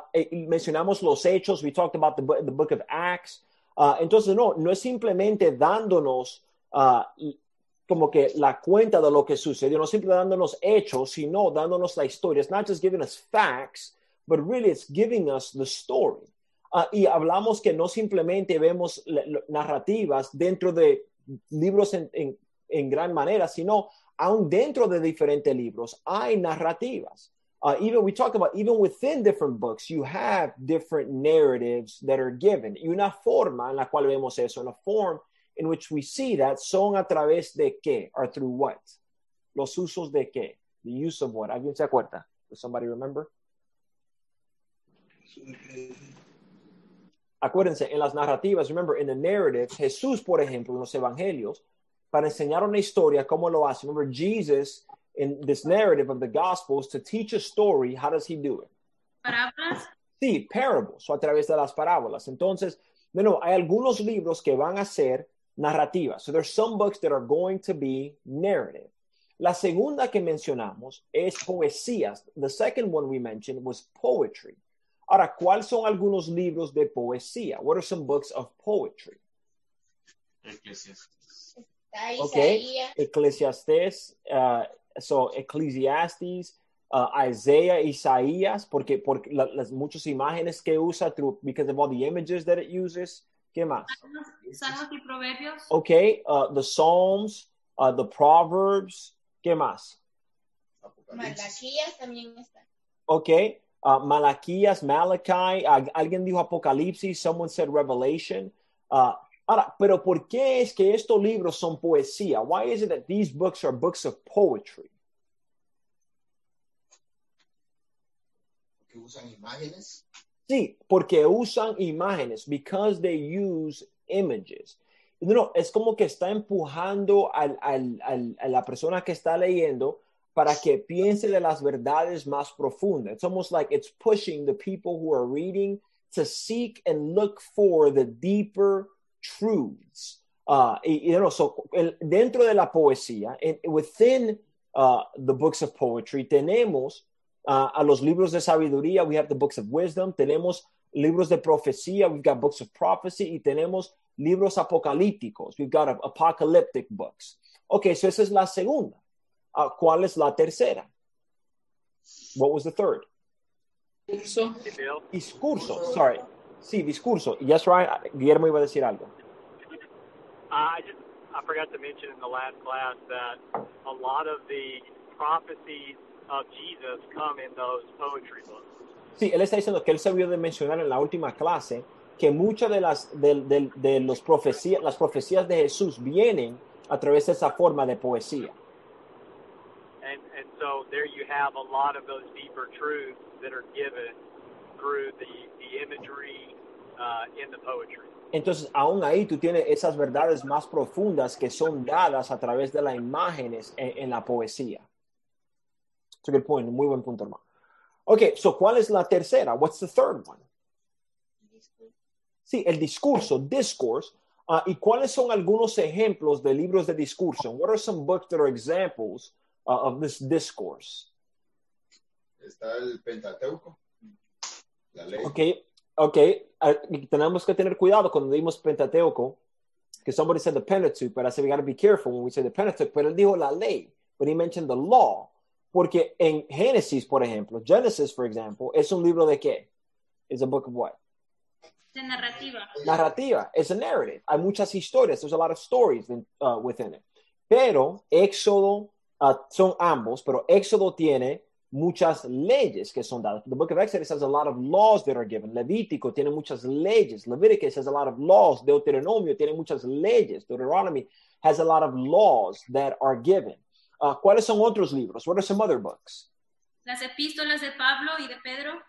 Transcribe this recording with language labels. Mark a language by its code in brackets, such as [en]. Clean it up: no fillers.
[es] Mencionamos los hechos. [en] We talked about the book of Acts. [es] Entonces, no es simplemente dándonos como que la cuenta de lo que sucedió. No simplemente dándonos hechos, sino dándonos la historia. [en] It's not just giving us facts, but really it's giving us the story. [es] Y hablamos que no simplemente vemos narrativas dentro de libros en gran manera, sino aún dentro de diferentes libros hay narrativas. [en] Even we talk about, even within different books, you have different narratives that are given. [es] Y una forma en la cual vemos eso, [en] in a form in which we see that, [es] son a través de qué, [en] or through what? [es] Los usos de qué, [en] the use of what. [es] ¿Alguien se acuerda? [en] Does somebody remember? [es] Acuérdense, en las narrativas, [en] remember, in the narratives, [es] Jesús, por ejemplo, en los evangelios, para enseñar una historia, ¿cómo lo hace? [en] Remember, Jesus, in this narrative of the Gospels, to teach a story, how does he do it? [es] ¿Parábolas? Sí, [en] parables, [es] o a través de las parábolas. Entonces, bueno, hay algunos libros que van a ser narrativas. [en] So there's some books that are going to be narrative. [es] La segunda que mencionamos es poesías. [en] The second one we mentioned was poetry. [es] Ahora, ¿cuáles son algunos libros de poesía? [en] What are some books of poetry? [es] Eclesiastes. [en] Okay. Eclesiastes. So, Ecclesiastes, Isaiah, Isaías, [es] porque las muchas imágenes que usa, [en] because of all the images that it uses. [es] ¿Qué más? Salmos y Proverbios. [en] Okay. The Psalms, the Proverbs. [es] ¿Qué más? Malaquías también está. [en] Okay. Malaquías, Malachi, [es] alguien dijo Apocalipsis, [en] someone said Revelation. [es] Ahora, pero ¿por qué es que estos libros son poesía? [en] Why is it that these books are books of poetry? [es] ¿Porque usan imágenes? Sí, porque usan imágenes, [en] because they use images. [es] No, es como que está empujando a la persona que está leyendo para que piense de las verdades más profundas. [en] It's almost like it's pushing the people who are reading to seek and look for the deeper truths. [es] Dentro de la poesía, [en] within the books of poetry, [es] tenemos a los libros de sabiduría, [en] we have the books of wisdom, [es] tenemos libros de profecía, [en] we've got books of prophecy, [es] y tenemos libros apocalípticos, [en] we've got apocalyptic books. [es] Okay, so esa es la segunda. ¿Cuál es la tercera? [en] What was the third? [es] Discurso. Discurso, sorry. Sí, discurso. [en] Yes, [es] Ryan, Guillermo iba a decir algo. [en] I forgot to mention in the last class that a lot of the prophecies of Jesus come in those poetry books. [es] Sí, él está diciendo que él se vio de mencionar en la última clase que muchas de las profecías de Jesús vienen a través de esa forma de poesía. [en] And so there you have a lot of those deeper truths that are given through the imagery in the poetry. [es] Entonces, aún ahí tú tienes esas verdades más profundas que son dadas a través de las imágenes en la poesía. [en] So good point. [es] Muy buen punto, hermano. [en] Okay, so [es] ¿cuál es la tercera? [en] What's the third one? [es] Sí, el discurso, discourse. ¿Y cuáles son algunos ejemplos de libros de discurso? [en] What are some books that are examples of this discourse? [es] Está el Pentateuco, la ley. Okay. Tenemos que tener cuidado cuando dimos Pentateuco, que [en] somebody said the Pentateuch, but I said we got to be careful when we say the Pentateuch, [es] pero él dijo la ley, [en] but he mentioned the law, [es] porque en Genesis, for example, es un libro de qué? [en] It's a book of what? [es] De narrativa. [en] Narrativa, it's a narrative. [es] Hay muchas historias, [en] there's a lot of stories within it. [es] Pero Éxodo, son ambos, pero Éxodo tiene muchas leyes que son dadas. [en] The book of Exodus has a lot of laws that are given. [es] Levítico tiene muchas leyes. [en] Leviticus has a lot of laws. [es] Deuteronomio tiene muchas leyes. [en] Deuteronomy has a lot of laws that are given. [es] ¿Cuáles son otros libros? [en] What are some other books? [es] Las epístolas de Pablo y de Pedro.